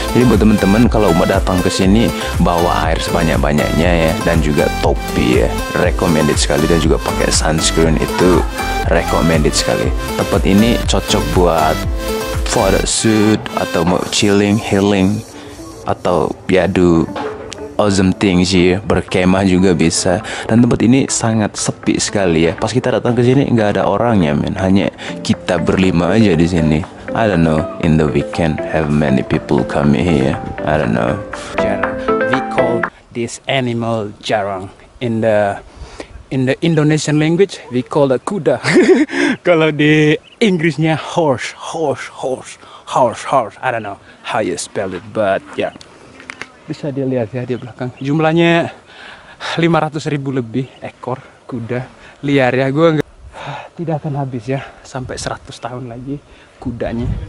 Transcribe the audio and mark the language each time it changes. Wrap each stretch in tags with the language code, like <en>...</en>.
<id>Jadi buat teman-teman kalau mau datang ke sini bawa air sebanyak-banyaknya ya, dan juga topi ya, recommended sekali, dan juga pakai sunscreen itu recommended sekali. Tempat ini cocok buat photo shoot atau mau chilling, healing, atau ya</id> <en>do awesome things</en> <id>ya, berkemah juga bisa. Dan tempat ini sangat sepi sekali ya. Pas kita datang ke sini nggak ada orangnya men, hanya kita berlima aja di sini.</id> <en>I don't know in the weekend have many people come here. I don't know. We call this animal</en> <id>jarang.</id> <en>In the Indonesian language, we call it</en> <id>kuda. Kalau di Inggrisnya horse.</id> <en>I don't know how you spell it, but yeah.</en> <id>Bisa dilihat ya di belakang. Jumlahnya 500.000 lebih ekor kuda liar ya. Gua enggak tidak akan habis ya sampai 100 tahun lagi kudanya.</id>